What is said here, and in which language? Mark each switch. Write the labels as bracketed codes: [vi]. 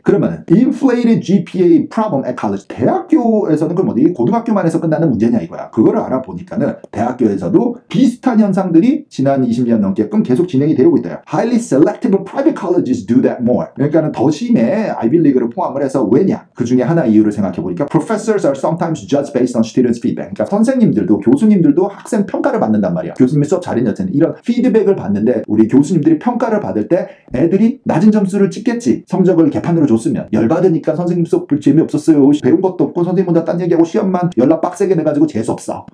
[en] 그러면 inflated GPA problem at college. [ko] 대학교에서는 그 뭐지? 고등학교만에서 끝나는 문제냐 이거야. 그거를 알아보니까는 대학교에서도 비슷한 현상들이 지난 20년 넘게끔 계속 진행이 되고 있다. [en] Highly selective private colleges do that more. [ko] 그러니까는 더 심해 Ivy League를 포함을 해서 왜냐? 그 중에 하나 이유를 생각해 보니까 [en] professors are sometimes judged based on students' feedback. [ko] 그러니까 선생님들도 교수님들도 학생 평가를 받는단 말이야. 교수님이 수업 잘 했냐 이런 피드백을 받는데 우리 교수님들이 평가를 받을 때 애들이 낮은 점수를 찍겠지. 성적을 개판으로 줬으면 열받으니까 선생님 수업 재미없었어요. 배운 것도 없고 선생님보다 딴 얘기하고 시험만 열나 빡세게 내가지고 재수없어.